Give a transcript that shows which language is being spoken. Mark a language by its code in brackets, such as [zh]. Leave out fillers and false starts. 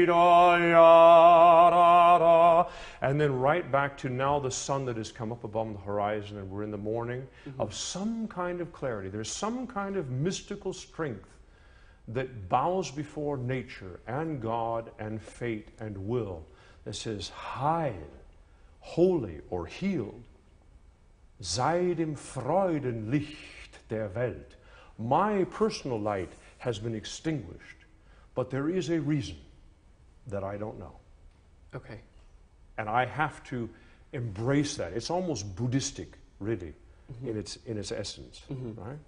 [en] And then right back to now the sun that has come up above the horizon and we're in the morning mm-hmm. of some kind of clarity. There's some kind of mystical strength that bows before nature and God and fate and will that says, Heil. Holy or healed, [de] sei dem Freudenlicht der Welt. [en] My personal light has been extinguished, but there is a reason that I don't know. Okay. And I have to embrace that. It's almost Buddhistic, really, mm-hmm. in its essence, mm-hmm.